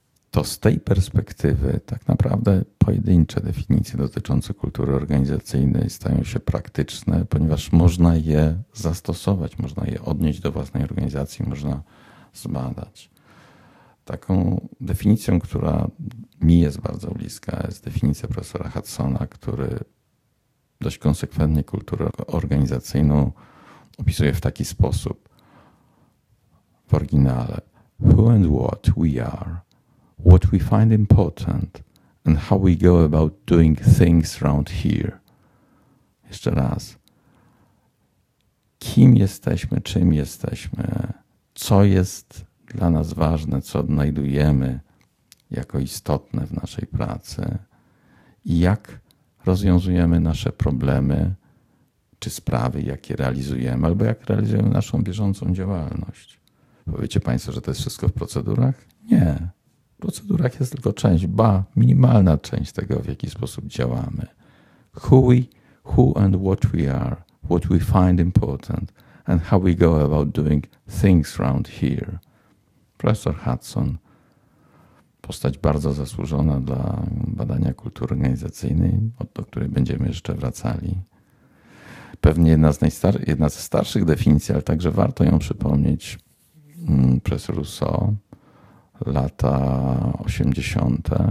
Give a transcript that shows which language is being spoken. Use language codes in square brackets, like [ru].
[pl] To z tej perspektywy tak naprawdę pojedyncze definicje dotyczące kultury organizacyjnej stają się praktyczne, ponieważ można je zastosować, można je odnieść do własnej organizacji, można zbadać. Taką definicją, która mi jest bardzo bliska, jest definicja profesora Hudsona, który dość konsekwentnie kulturę organizacyjną opisuje w taki sposób. W oryginale: [en] who and what we are, what we find important and how we go about doing things around here. [pl] Jeszcze raz. Kim jesteśmy, czym jesteśmy, co jest dla nas ważne, co odnajdujemy jako istotne w naszej pracy i jak rozwiązujemy nasze problemy czy sprawy, jakie realizujemy, albo jak realizujemy naszą bieżącą działalność. Powiecie Państwo, że to jest wszystko w procedurach? Nie. W procedurach jest tylko część, ba, minimalna część tego, w jaki sposób działamy. [en] Who and what we are, what we find important, and how we go about doing things around here. [pl] Professor Hudson, postać bardzo zasłużona dla badania kultury organizacyjnej, do której będziemy jeszcze wracali. Pewnie jedna ze starszych definicji, ale także warto ją przypomnieć, profesor Rousseau, lata 80.